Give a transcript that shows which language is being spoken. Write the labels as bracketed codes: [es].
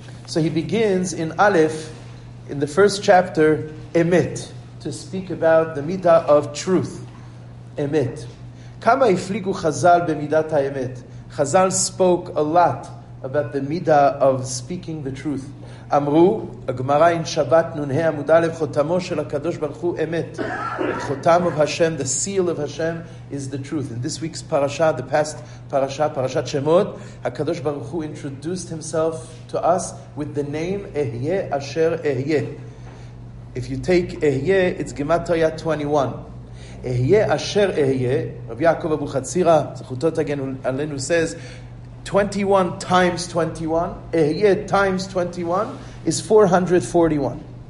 [en] So he begins in Aleph, in the first chapter, Emet, to speak about the Midah of truth. Emet. [he] Kama ifligu Chazal b'midat ha'emet. [en] Chazal spoke a lot about the Midah of speaking the truth. [he] אמרו, הגמרא אין שבת נונה עמוד א', חותמו של הקדוש ברוך הוא אמת. [en] חותם of Hashem, the seal of Hashem is the truth. In this week's parasha, the past parasha, parashat Shemot, הקדוש ברוך הוא introduced himself to us with the name Ehyeh Asher Ehyeh. If you take Ehyeh, it's Gematria 21. Ehyeh Asher Ehyeh, Rabbi Yaakov Abu Chatzira, [he] זכותו תגן עלינו, [en] says, 21 times 21, Ehyeh times 21 is 441.